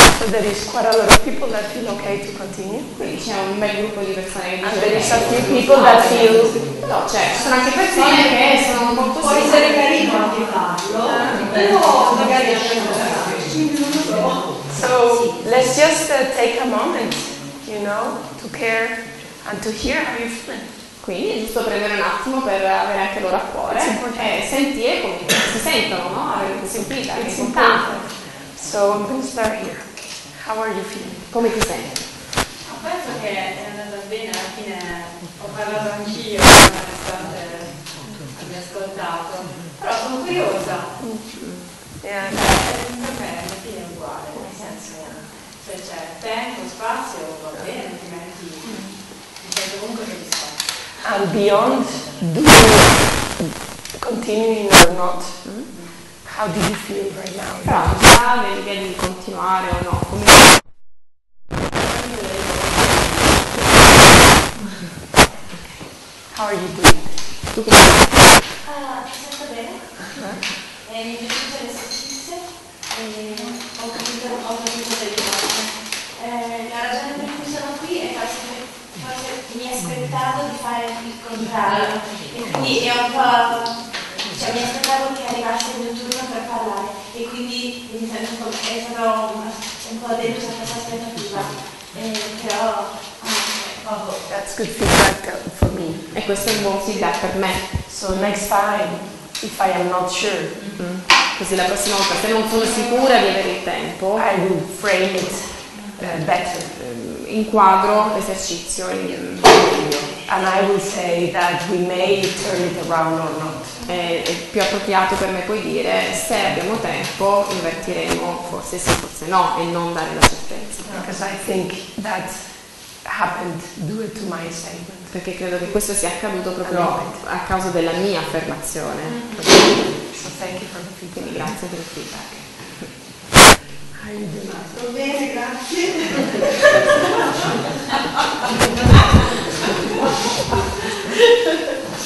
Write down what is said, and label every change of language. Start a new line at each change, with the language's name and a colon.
English: So there is quite a lot of people that feel okay to continue.
Italian: Quindi c'è un bel gruppo di persone.
English: And there is a few people that feel.
Italian: No, cioè, sono anche persone che sono molto. Può essere carino anche farlo. Però magari
English: so let's just take a moment, you know, to care and to hear how you feel.
Italian: Quindi è giusto prendere un attimo per avere anche loro a cuore e sentire come si sentono, no? Avere sentita,
English: it's importante. So I'm going to start here. How are you feeling?
Italian: Come ti senti? Ho penso che è andata bene, alla fine ho parlato anch'io, nonostante abbia ascoltato, però sono curiosa. Yeah. Per me alla fine è uguale, nel senso che se c'è tempo, spazio, va bene, altrimenti comunque che mi sento.
English: And beyond doing, continuing or not, how do you feel right now?
Italian: Però già nell'idea di continuare o no, come si
English: how are you doing?
Italian: Tu come stai? Ti sento bene. Mi è piaciuto l'esercizio. Ho capito le cose. La ragione per cui sono qui è farsi. Forse mi aspettavo di fare il contrario e quindi è un po', cioè mi aspettavo che arrivasse il mio turno per parlare e quindi mi sento un po', è stato un po' deluso questa aspettativa, però
English: that's good feedback for me,
Italian: e questo è un buon feedback per me.
English: So next time if I am not sure,
Italian: così la prossima volta se non sono sicura di avere il tempo
English: I will frame it better.
Italian: Inquadro l'esercizio
English: and I will say that we may turn it around or not.
Italian: È più appropriato per me poi dire se abbiamo tempo invertiremo forse sì forse no e non dare la certezza.
English: Because I think that happened due to my statement.
Italian: Perché credo che questo sia accaduto proprio a causa della mia affermazione.
English: So thank you for the feedback.
Italian: Quindi grazie per il feedback. Sto bene, grazie.